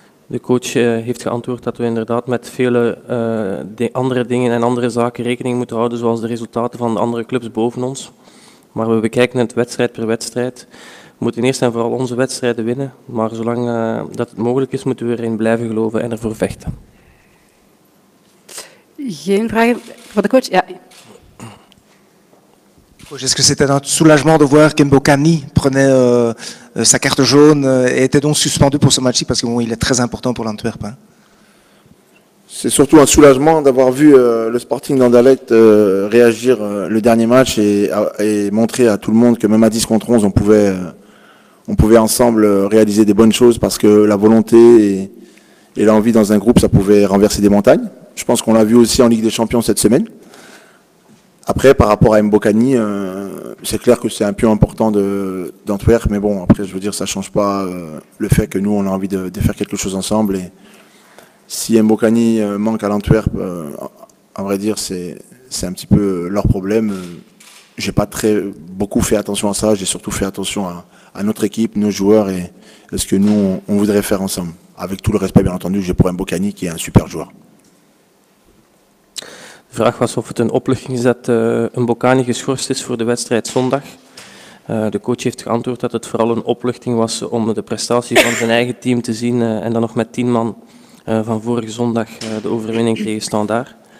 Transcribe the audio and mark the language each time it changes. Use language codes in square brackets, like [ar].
[nl] De coach heeft geantwoord dat we inderdaad met vele andere dingen en andere zaken rekening moeten houden, zoals de resultaten van de andere clubs boven ons. Maar we bekijken het wedstrijd per wedstrijd. We moeten eerst en vooral onze wedstrijden winnen, maar zolang dat het mogelijk is, moeten we erin blijven geloven en ervoor vechten. Geen vragen voor de coach? Ja. [fr] Est-ce que c'était un soulagement de voir qu'Embo Kany prenait sa carte jaune et était donc suspendu pour ce match-ci parce qu'il est très important pour l'Antwerp, hein? C'est surtout un soulagement d'avoir vu le Sporting d'Anderlecht réagir le dernier match et montrer à tout le monde que même à 10 contre 11, on pouvait ensemble réaliser des bonnes choses parce que la volonté et l'envie dans un groupe, ça pouvait renverser des montagnes. Je pense qu'on l'a vu aussi en Ligue des Champions cette semaine. Après, par rapport à Embo Kany, c'est clair que c'est un pion important d'Antwerp, mais bon, après, je veux dire, ça ne change pas le fait que nous, on a envie de faire quelque chose ensemble. Et si Embo Kany manque à l'Antwerp, à vrai dire, c'est un petit peu leur problème. Je n'ai pas très beaucoup fait attention à ça, j'ai surtout fait attention à notre équipe, nos joueurs et à ce que nous, on voudrait faire ensemble. Avec tout le respect, bien entendu, que j'ai pour Embo Kany, qui est un super joueur. [nl] De vraag was of het een opluchting is dat Embo Kany geschorst is voor de wedstrijd zondag. De coach heeft geantwoord dat het vooral een opluchting was om de prestatie van zijn eigen team te zien en dan nog met 10 man van vorige zondag de overwinning tegen Standaard.